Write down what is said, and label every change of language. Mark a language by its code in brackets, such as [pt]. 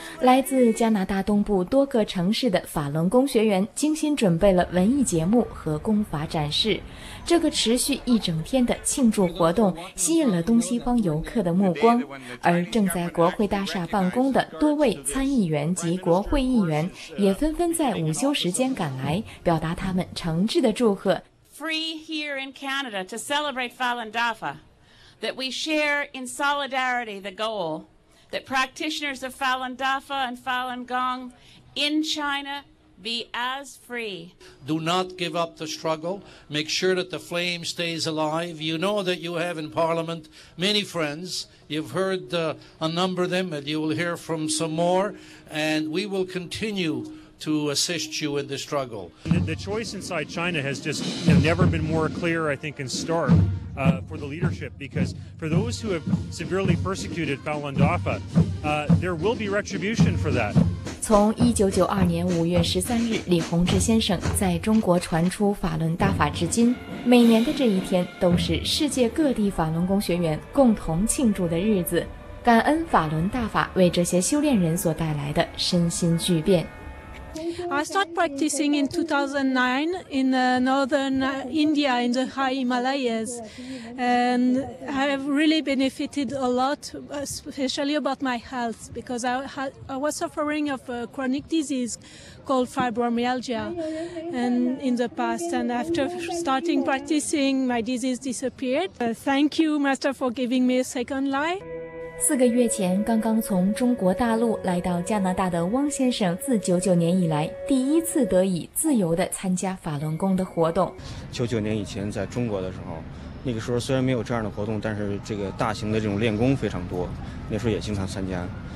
[zh] 来自加拿大东部多个城市的法轮功学员精心准备了文艺节目和功法展示。这个持续一整天的庆祝活动吸引了东西方游客的目光，而正在国会大厦办公的多位参议员及国会议员也纷纷在午休时间赶来，表达他们诚挚的祝贺。 [en] Free here in Canada to celebrate Falun Dafa, that we share in solidarity the goal that practitioners of Falun Dafa and Falun Gong in China be as free. Do not give up the struggle. Make sure that the flame stays alive. You know that you have in Parliament many friends. You've heard a number of them, and you will hear from some more. And we will continue. To assist you in the struggle. The choice inside China has just, you know, never been more clear, I think, and stark, for the leadership, because for those who have severely persecuted Falun Dafa, there will be retribution for that. [zh] 从1992年5月13日李洪志先生在中国传出法轮大法至今，每年的这一天都是世界各地法轮功学员共同庆祝的日子，感恩法轮大法为这些修炼人所带来的身心巨变。 [en] I started practicing in 2009 in northern India in the high Himalayas, and I have really benefited a lot, especially about my health, because I was suffering of a chronic disease called fibromyalgia and in the past, and after starting practicing, my disease disappeared. Thank you, Master, for giving me a second life. [zh] 4个月前刚刚从中国大陆来到加拿大的汪先生，自99年以来第一次得以自由地参加法轮功的活动。 99年以前在中国的时候，那个时候虽然没有这样的活动，但是这个大型的这种练功非常多，那时候也经常参加。